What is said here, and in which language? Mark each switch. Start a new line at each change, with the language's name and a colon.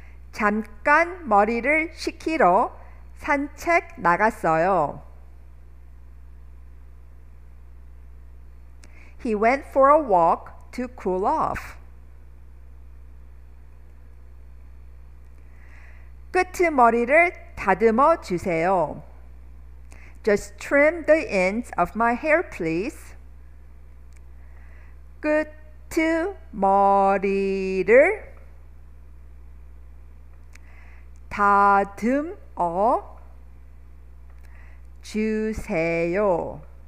Korean: 잠깐 머리를 식히러 산책 나갔어요.
English: He went for a walk to cool off.
Korean: 끝머리를 다듬어 주세요.
English: Just trim the ends of my hair, please.
Korean: 끝머리를 다듬어 주세요.